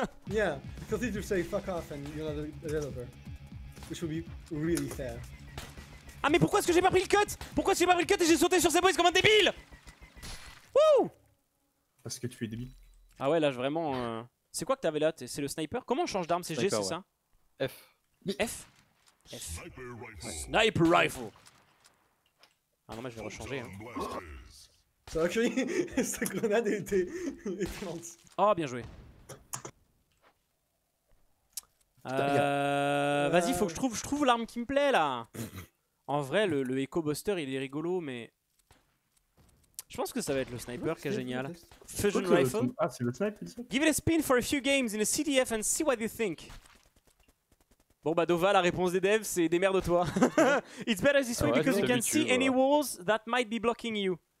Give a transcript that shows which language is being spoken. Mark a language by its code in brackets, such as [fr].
[en] Yeah, continue to say fuck off and you're not a developer. Which would be really fair. [fr] Ah mais pourquoi est-ce que j'ai pas pris le cut? Pourquoi j'ai pas pris le cut et j'ai sauté sur ces boys comme un débile? Wouh! Parce que tu es débile. Ah ouais, là vraiment... C'est quoi que t'avais là? C'est le sniper? Comment on change d'arme? C'est G, c'est ça? F. F? F. Sniper rifle. Sniper rifle. Ah non, mais je vais rechanger. Hein. Ça va cueillir. Sa grenade était... Oh, bien joué. Vas-y, faut que je trouve l'arme qui me plaît, là. En vrai, le Echo Buster, il est rigolo, mais... Je pense que ça va être le sniper qui est génial. [en] Fusion rifle. [fr] Ah, c'est le sniper. [en] Give it a spin for a few games in a CDF and see what you think. [fr] Bon bah Dova, la réponse des devs, c'est démerde-toi. [en] It's better this way because you can see any walls that might be blocking you.